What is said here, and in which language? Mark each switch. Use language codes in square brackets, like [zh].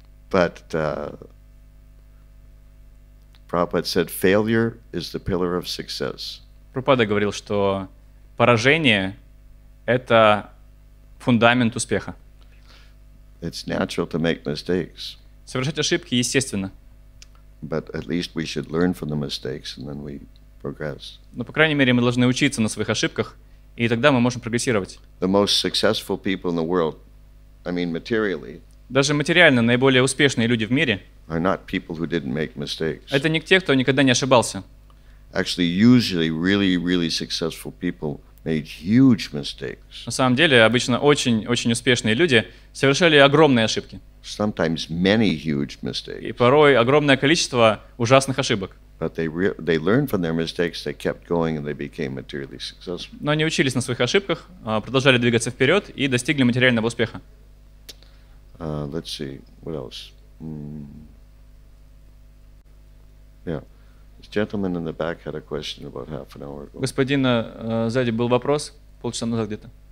[en] But Prabhupada said, failure is the pillar of success. [ru] Прабхупада говорил, что поражение — это фундамент успеха. [en] It's natural to make mistakes. [ru] Совершать ошибки естественно. [en] But at least we should learn from the mistakes, and then we progress. [ru] Но по крайней мере мы должны учиться на своих ошибках, и тогда мы можем прогрессировать. [en] The most successful people in the world, I mean materially. [ru] Даже материально наиболее успешные люди в мире. [en] Are not people who didn't make mistakes. [ru] Это не те, кто никогда не ошибался. [en] Actually, usually really, really successful people made huge mistakes. [ru] На самом деле, обычно очень, очень успешные люди совершали огромные ошибки. [en] Sometimes many huge mistakes. [ru] И порой огромное количество ужасных ошибок. [en] But they learned from their mistakes, they kept going, and they became materially successful. [ru] Но они учились на своих ошибках, продолжали двигаться вперед и достигли материального успеха. [en] Let's see, what else? Yeah. Gentleman in the back had a question about half an hour ago. [ru] Господин сзади был вопрос полчаса назад где-то.